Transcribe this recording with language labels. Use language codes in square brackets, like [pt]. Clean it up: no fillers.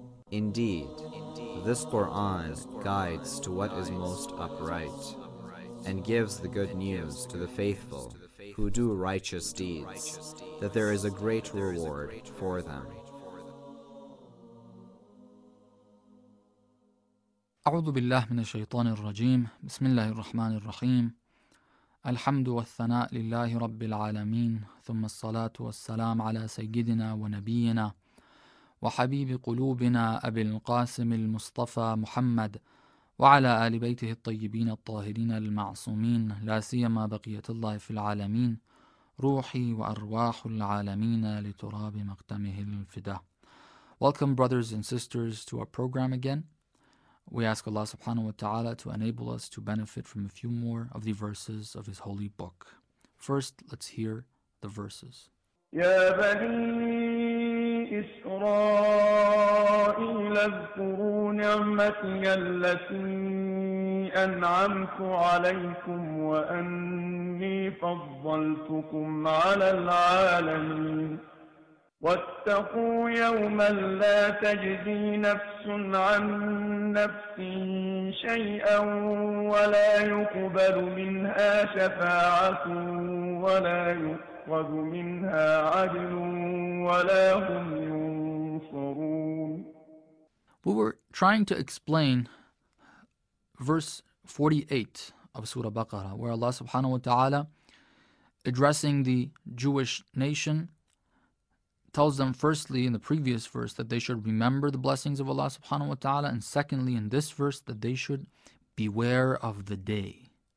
[en] Indeed, this Quran guides to what is most upright and gives the good news to the faithful who do righteous deeds, that there is a great reward for them. [ar] أعوذ بالله من الشيطان الرجيم بسم الله الرحمن الرحيم الحمد والثناء لله رب العالمين ثم الصلاة والسلام على سيدنا ونبينا وحبيب قلوبنا أبي القاسم المصطفى محمد وعلى آل بيته الطيبين الطاهرين المعصومين لا سيما بقية الله في العالمين روحي وأرواح العالمين لتراب مقدمه الفداء. [en] Welcome brothers and sisters to our program again. We ask Allah subhanahu wa ta'ala to enable us to benefit from a few more of the verses of His holy book. First, let's hear the verses. [ar] Ya Bani Israel, اذكروا نعمتي التي أنعمت عليكم وأني فضلتكم على العالمين. واتقوا يوما لا تجزي نفس عن نفس شيئا ولا يقبل منها شفاعة ولا يؤخذ منها عدل ولا هم ينصرون. [en] We were trying to explain verse 48 of Surah Baqarah, where Allah subhanahu wa ta'ala, addressing the Jewish nation, tells them firstly in the previous verse that they should remember the blessings of Allah subhanahu wa ta'ala, and secondly in this verse that they should beware of the day.